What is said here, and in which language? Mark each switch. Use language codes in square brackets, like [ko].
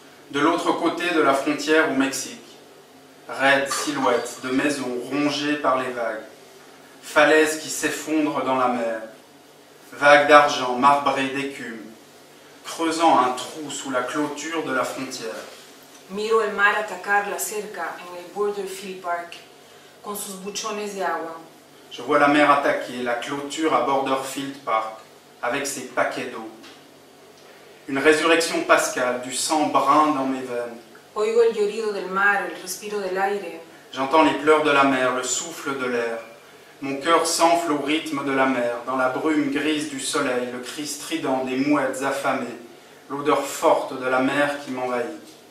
[fr] De l'autre côté de la frontière au Mexique, raide silhouette de maisons rongées par les vagues, falaise qui s'effondre dans la mer, vague d'argent marbrée d'écume, creusant un trou sous la clôture de la frontière. [es] Miro el mar atacar la cerca en el Borderfield Park, con sus buchones de agua. [fr] Je vois la mer attaquer la clôture à Borderfield Park, avec ses paquets d'eau. Une résurrection pascale du sang brun dans mes veines. [es] Oigo el llorido del mar, el respiro del aire. [fr] J'entends les pleurs de la mer, le souffle de l'air. Mon cœur s'enfle au rythme de la mer, dans la brume grise du soleil, le cri strident des mouettes affamées, l'odeur forte de la mer qui m'envahit.